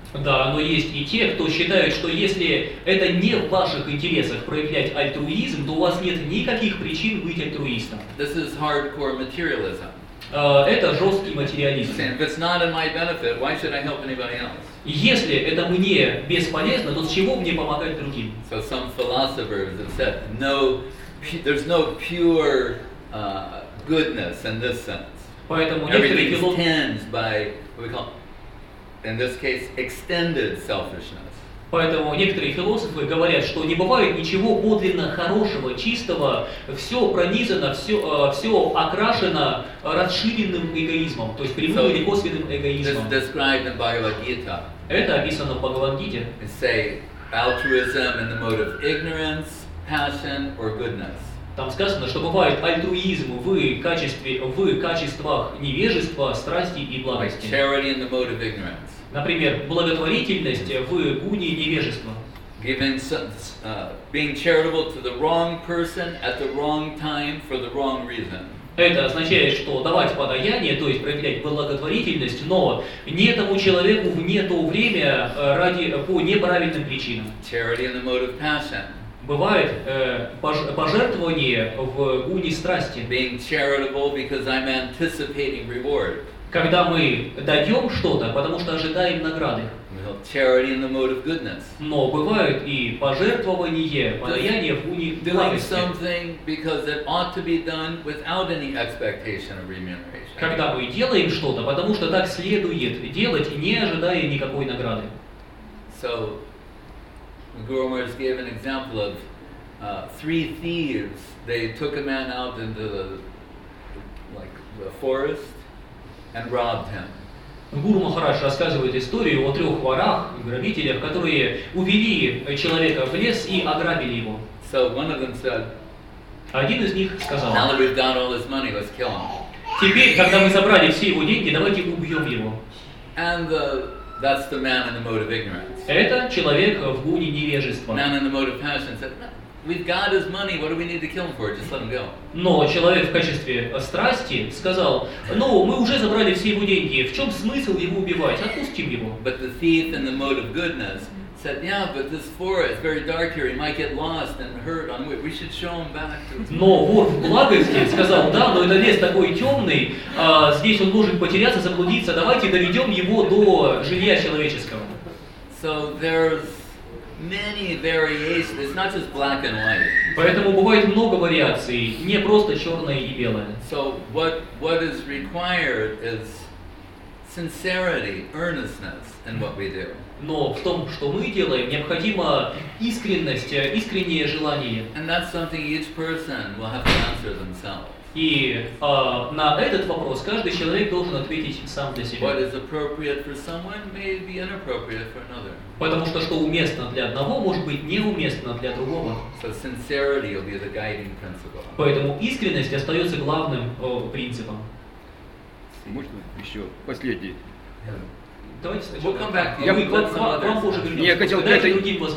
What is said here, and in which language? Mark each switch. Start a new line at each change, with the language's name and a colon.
Russian: Да, но есть и те, кто считает, что если это не в ваших интересах проявлять альтруизм, то у вас нет никаких причин быть альтруистом.
English: This is hardcore materialism.
Russian: Это жесткий материализм.
English: If it's not in my benefit, why should I help anybody else?
Russian: Если это мне бесполезно, то с чего мне помогать другим?
English: So some philosophers have said, no, there's no pure goodness in this sense.
Russian: Поэтому
English: everything extends by what we call, in this case, extended selfishness.
Russian: Поэтому некоторые философы говорят, что не бывает ничего подлинно хорошего, чистого, все пронизано, все окрашено расширенным эгоизмом, то есть прямым или косвенным эгоизмом.
English: This is described in Bhagavad-gita.
Russian: Это описано в Бхагавад-гите.
English: It says altruism in the mode of ignorance, passion, or goodness.
Russian: Там сказано, что бывает альтруизм в качествах невежества, страсти и благости.
English: Charity in the mode of ignorance.
Russian: Например, благотворительность в гуне невежества.
English: Giving being charitable to the wrong person at the wrong time for the wrong reason.
Russian: Это означает, что давать подаяние, то есть проявлять благотворительность, но не тому человеку в не то время ради по неправильным причинам.
English: Charity in the mode of passion.
Russian: Бывает пожертвование в гуне страсти.
English: Being charitable because I'm anticipating reward.
Russian: Когда мы даем что-то, потому что ожидаем награды.
English: Well, charity in the mode of goodness.
Russian: Но бывают и пожертвования, подаяние в гуне благости.
English: Doing something because it ought to be done without any expectation of remuneration.
Russian: Когда мы делаем что-то, потому что так следует делать, не ожидая никакой награды.
English: So, Guru Maharaj gave an example of three thieves. They took a man out into the forest. And robbed him.
Russian: Гуру Махарадж рассказывает историю о трех ворах, грабителях, которые увели человека в лес и ограбили его.
English: So one of them said,
Russian: один из них сказал,
English: now that we've got all his money, let's kill him.
Russian: Теперь, когда мы забрали все его деньги, давайте убьем его.
English: And that's the man in the mode of ignorance.
Russian: Это человек в гуне невежества.
English: Man in the mode of passion said, no. We've got his money. What do we need to kill him for? Just let him go.
Russian: Но человек в качестве страсти сказал: "Ну, мы уже забрали все его деньги. В чем смысл его убивать? Отпустим его."
English: But the thief, in the mode of goodness, said, "Yeah, but this forest is very dark here. He might get lost and hurt on the way. We should show him back."
Russian: Но вор в благости сказал: "Да, но этот лес такой темный. Здесь он может потеряться, заблудиться. Давайте доведем его до жилья человеческого."
English: So there's many variations. It's not just black and white.
Russian: Поэтому бывает много вариаций, не просто черное и белое.
English: So what is required is sincerity, earnestness in what we do.
Russian: Но в том, что мы делаем, необходима искренность, искреннее желание.
English: And that's something each person will have to answer themselves.
Russian: И на этот вопрос каждый человек должен ответить сам для себя.
English: What is appropriate for someone may be inappropriate for another.
Russian: Потому что уместно для одного, может быть неуместно для другого.
English: So sincerity will be the guiding principle.
Russian: Поэтому искренность остается главным принципом. Можно еще последний?
English: Yeah.
Russian: Давайте сначала.
English: We'll come back.
Russian: Я, вам позже вернемся.